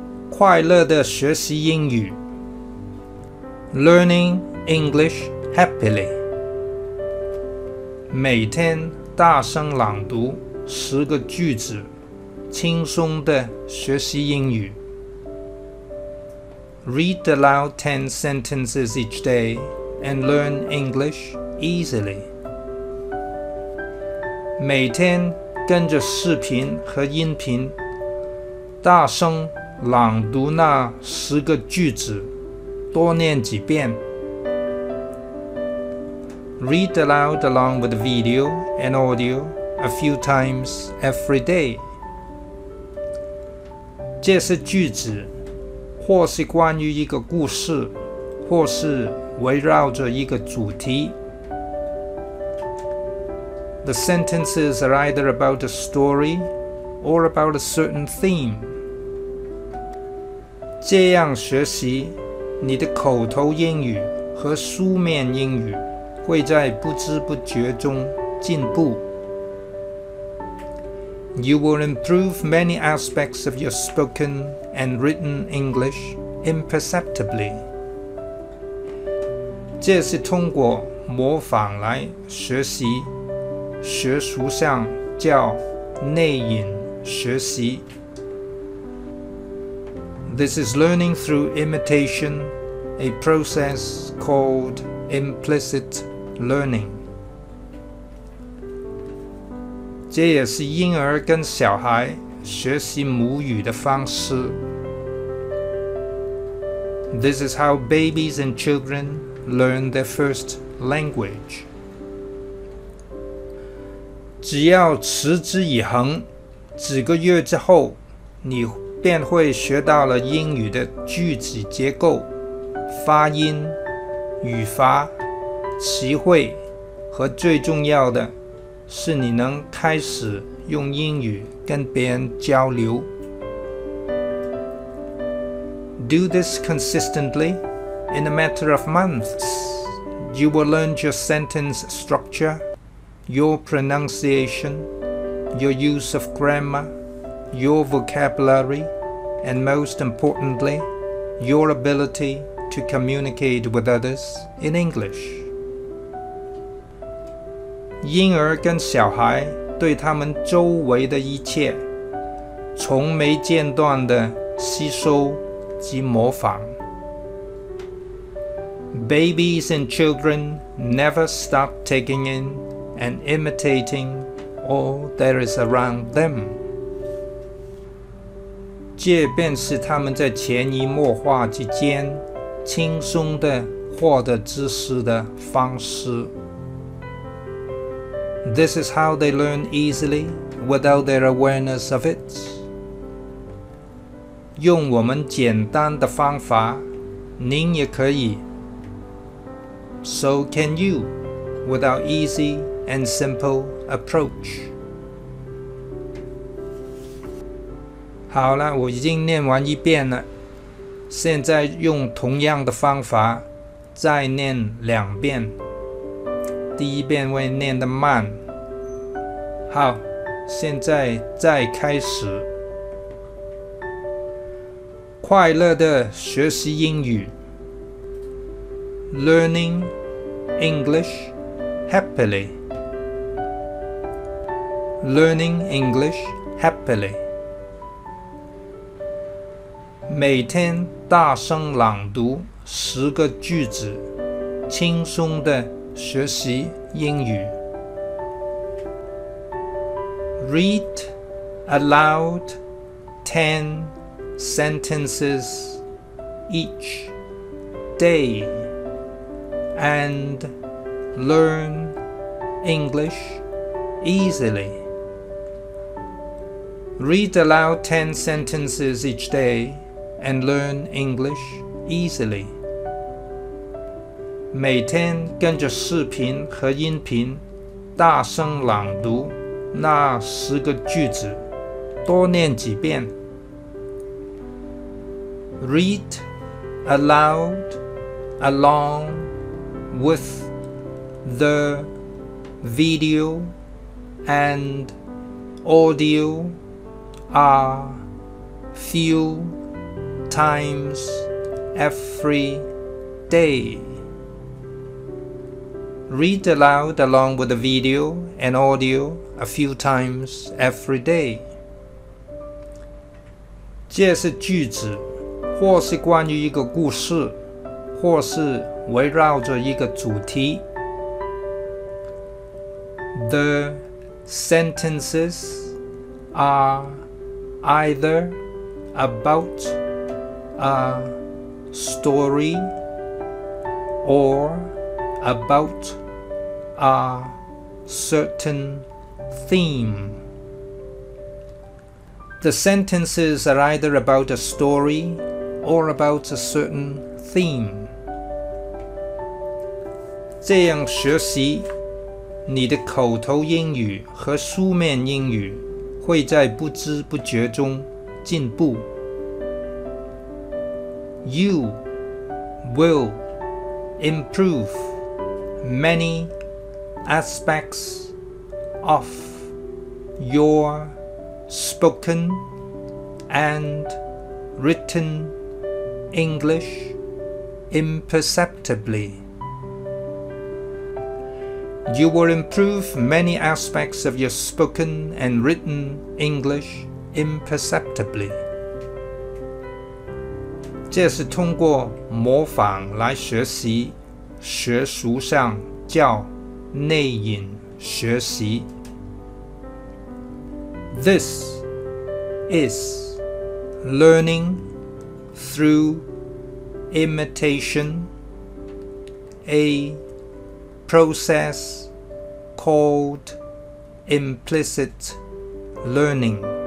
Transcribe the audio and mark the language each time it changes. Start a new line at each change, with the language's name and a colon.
Chinese: 快乐的学习英语。
English: Learning English happily。
Chinese: 每天大声朗读十个句子，轻松的学习英语。
English: Read aloud 10 sentences each day and learn English easily.
Chinese: 每天跟着视频和音频，大声朗读那十个句子，多念几遍。
English: Read aloud along with the video and audio a few times every day.
Chinese: 这些句子或是关于一个故事，或是围绕着一个主题。
English: The sentences are either about a story or about a certain theme.
Chinese: 这样学习，你的口头英语和书面英语会在不知不觉中进步。
English: You will improve many aspects of your spoken and written English imperceptibly.
Chinese: 这是通过模仿来学习，学术上叫内隐学习。
English: This is learning through imitation, a process called implicit learning.
Chinese: 这也是婴儿跟小孩学习母语的方式。
English: This is how babies and children learn their first language.
Chinese: 只要持之以恒，几个月之后，你便会学到了英语的句子结构、发音、语法、词汇和最重要的是你能开始用英语跟别人交流。
English: Do this consistently. In a matter of months, you will learn your sentence structure, your pronunciation, your use of grammar, your vocabulary, and most importantly, your ability to communicate with others in English.
Chinese: 婴儿跟小孩对他们周围的一切从没间断的吸收及模仿。
English: Babies and children never stop taking in and imitating all that is around them.
Chinese: 这便是他们在潜移默化之间轻松地获得知识的方式。
English: This is how they learn easily without their awareness of it.
Chinese: 用我们简单的方法，您也可以。
English: So can you, with our easy and simple approach.
Chinese: 好了，我已经念完一遍了，现在用同样的方法再念两遍。第一遍会念得慢。好，现在再开始。快乐的学习英语。
English: Learning English happily. Learning English happily.
Chinese: 每天大声朗读十个句子，轻松的学习英语。
English: Read aloud 10 sentences each day and learn English easily. Read aloud 10 sentences each day and learn English easily.
Chinese: 每天跟着视频和音频大声朗读那十个句子，多念几遍。
English: Read aloud along with the video and audio a few times every day. Read aloud along with the video and audio. A few times every day.
Chinese: 这是句子，或是关于一个故事，或是围绕着一个主题。
English: The sentences are either about a story or about a certain theme. The sentences are either about a story or about a certain theme.
Chinese: 这样学习，你的口头英语和书面英语会在不知不觉中进步。
English: You will improve many aspects of your spoken and written English imperceptibly. You will improve many aspects of your spoken and written English imperceptibly.
Chinese: 这是通过模仿来学习，学术上叫内隐学习。
English: This is learning through imitation, a process called implicit learning.